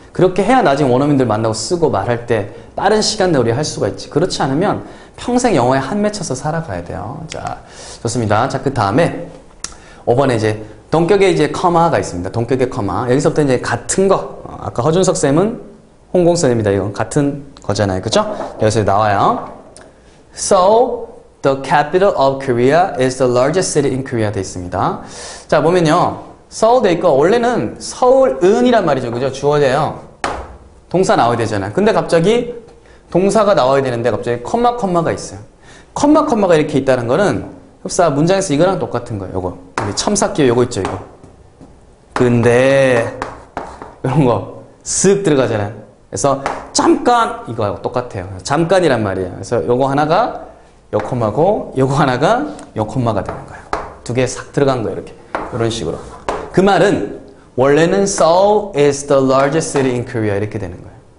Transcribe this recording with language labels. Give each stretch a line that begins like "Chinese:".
Korean: 그렇게 해야 나중에 원어민들 만나고 쓰고 말할 때 빠른 시간 내에 우리 할 수가 있지. 그렇지 않으면 평생 영어에 한매쳐서 살아가야 돼요. 자, 좋습니다. 자, 그 다음에 5번에 이제 동격의 이제 커마가 있습니다. 동격의 커마. 여기서부터 이제 같은 거. 아까 허준석 쌤은 홍공선입니다. 이건 같은 거잖아요. 그죠? 여기서 나와요.
English: So, the capital of Korea is the largest city in Korea.
Korean: 돼 있습니다. 자, 보면요. 서울 돼 있고, 원래는 서울은이란 말이죠. 그죠? 주어예요. 동사 나와야 되잖아요. 근데 갑자기 동사가 나와야 되는데 갑자기 컴마 컴마가 있어요. 컴마 컴마가 이렇게 있다는 거는 흡사 문장에서 이거랑 똑같은 거예요. 요거. 우리 첨삭기호 요거 있죠. 이거. 근데, 이런 거 쓱 들어가잖아요. 그래서 잠깐 이거하고 똑같아요. 잠깐이란 말이에요. 그래서 요거 하나가 요 콤마고 요거 하나가 요 콤마가 되는 거예요. 두 개 싹 들어간 거예요. 이렇게. 이런 식으로. 그 말은 원래는
English: Seoul is the largest city in Korea
Korean: 이렇게 되는 거예요.